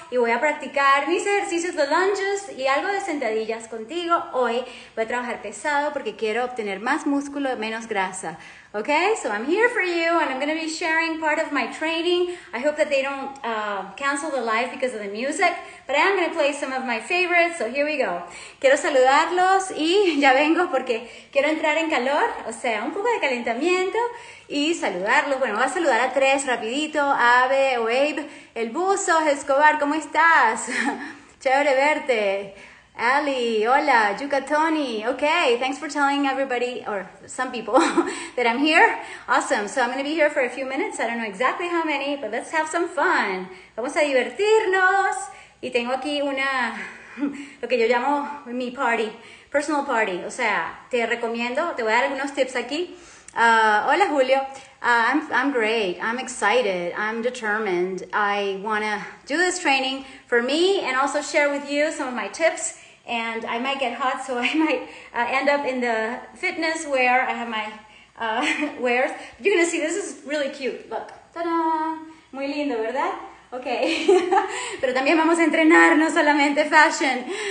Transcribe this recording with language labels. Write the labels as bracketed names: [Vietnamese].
[Spanish] Y voy a practicar mis ejercicios de lunges y algo de sentadillas contigo. Hoy voy a trabajar pesado porque quiero obtener más músculo y menos grasa. [English] Okay, so I'm here for you and I'm going to be sharing part of my training. I hope that they don't cancel the live because of the music, but I am going to play some of my favorites, so here we go. [Spanish] Quiero saludarlos y ya vengo porque quiero entrar en calor, o sea, un poco de calentamiento y saludarlos. Bueno, voy a saludar a tres rapidito, Abe, Wave, El Buzo, Escobar, ¿cómo estás? Chévere verte. Ali, hola, Yuka Tony. [English] Okay, thanks for telling everybody, or some people, that I'm here. Awesome, so I'm going to be here for a few minutes. I don't know exactly how many, but let's have some fun. [Spanish] Vamos a divertirnos. Y tengo aquí una, lo que yo llamo mi party, personal party. O sea, te recomiendo, te voy a dar algunos tips aquí. Hola, Julio. [English] I'm great. I'm excited. I'm determined. I want to do this training for me and also share with you some of my tips. And I might get hot, so I might end up in the fitness where I have my wares. You're going to see, this is really cute. Look. [Spanish] Ta-da! Muy lindo, ¿verdad? Okay. Pero también vamos a entrenar, no solamente fashion.